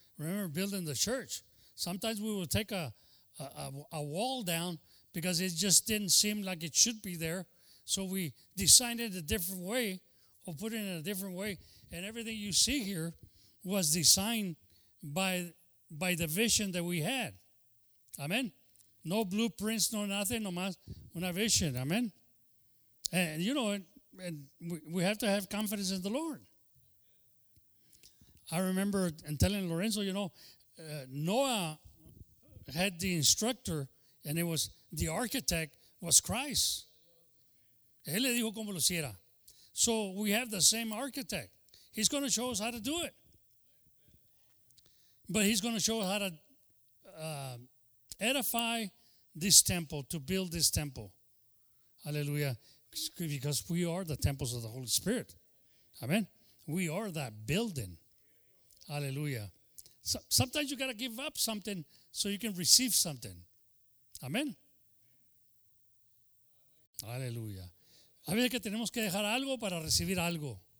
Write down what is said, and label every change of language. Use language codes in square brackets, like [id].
[en] Remember building the church. Sometimes we would take a wall down because it just didn't seem like it should be there. So we designed it a different way or put it in a different way. And everything you see here was designed by the vision that we had. Amen. No blueprints, no nothing, [es] no más una vision. [en] Amen. And you know, and we have to have confidence in the Lord. I remember telling Lorenzo, you know, Noah had the instructor, and it was the architect was Christ. [es] Él le dijo cómo lo hiciera. [en] So we have the same architect. He's going to show us how to do it. But he's going to show us how to edify this temple, to build this temple. Hallelujah. Because we are the temples of the Holy Spirit. Amen. We are that building. Hallelujah. So, sometimes you got to give up something so you can receive something. Amen. Hallelujah. [es] A veces que tenemos que dejar algo para recibir algo.